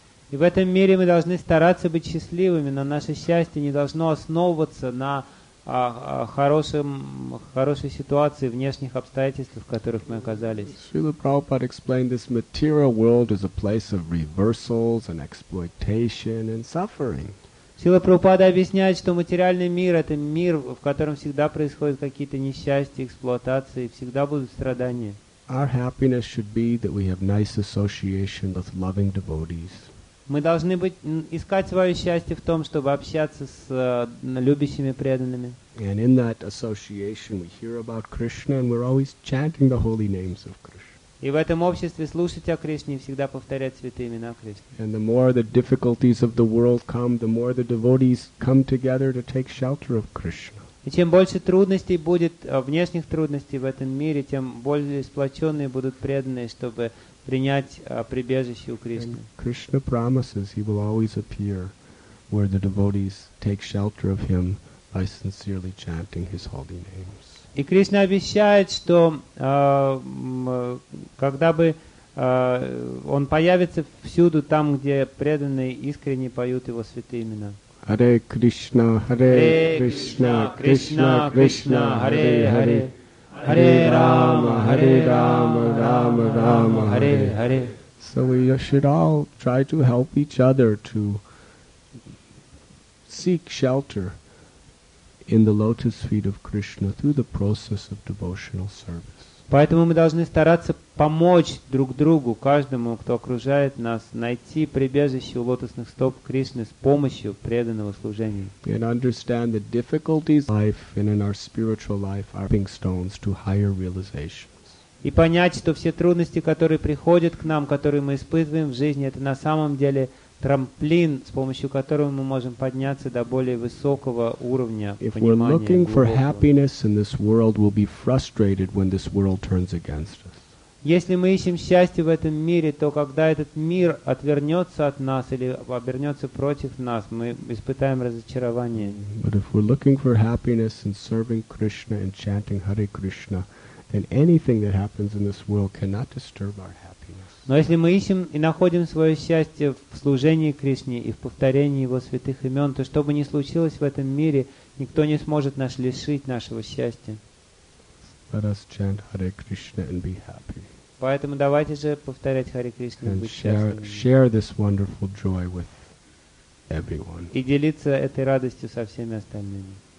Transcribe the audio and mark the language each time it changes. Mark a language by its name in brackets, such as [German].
[Russian] И в этом мире мы должны стараться быть счастливыми, но наше счастье не должно основываться на о хорошей ситуации, внешних обстоятельствах, в которых мы оказались. [English] Srila Prabhupada explained this material world is a place of reversals and exploitation and suffering. [Russian] Сила Прабхупада объясняет, что материальный мир — это мир, в котором всегда происходят какие-то несчастья, эксплуатации, всегда будут страдания. [English] Our happiness should be that we have nice association with loving devotees. [Russian] Мы должны искать свое счастье в том, чтобы общаться с любящими преданными. [English] And in that association we hear about Krishna and we're always chanting the holy names of Krishna. [Russian] И в этом обществе слушать о Кришне и всегда повторять святые имена Кришны. [English] And the more the difficulties of the world come, the more the devotees come together to take shelter of Krishna. [Russian] И чем больше трудностей будет, внешних трудностей в этом мире, тем более сплоченные будут преданные, чтобы принять прибежище у Кришны. [English] And Krishna promises he will always appear where the devotees take shelter of him by sincerely chanting his holy names. [Russian] И Кришна обещает, что когда бы он появится всюду там, где преданные искренне поют его святые имена. [Sanskrit] Hare Krishna, Hare Krishna, Krishna Krishna, Hare Hare, Hare Rama, Hare Rama, Rama Rama, Hare Hare. [English] So we should all try to help each other to seek shelter in the lotus feet of Krishna through the process of devotional service. [Russian] Поэтому мы должны стараться помочь друг другу, каждому, кто окружает нас, найти прибежище у лотосных стоп Кришны с помощью преданного служения. [English] And understand the difficulties in life and in our spiritual life are stepping stones to higher realizations. [Russian] И понять, что все трудности, которые приходят к нам, которые мы испытываем в жизни, это на самом деле трамплин, с помощью которого мы можем подняться до более высокого уровня понимания. [English] If we're looking for happiness in this world, we'll be frustrated when this world turns against us. [Russian] Если мы ищем счастье в этом мире, то когда этот мир отвернется от нас или обернется против нас, мы испытаем разочарование. [English] But if we're looking for happiness in serving Krishna and chanting Hare Krishna, then anything that happens in this world cannot disturb our happiness. [Russian] Но если мы ищем и находим свое счастье в служении Кришне и в повторении Его святых имен, то что бы ни случилось в этом мире, никто не сможет нас лишить нашего счастья. [English] Let us chant Hare Krishna and be happy. [Russian] Поэтому давайте же повторять Харе Кришне и быть счастливыми. [English] Share this wonderful joy with everyone. [Russian] И делиться этой радостью со всеми остальными.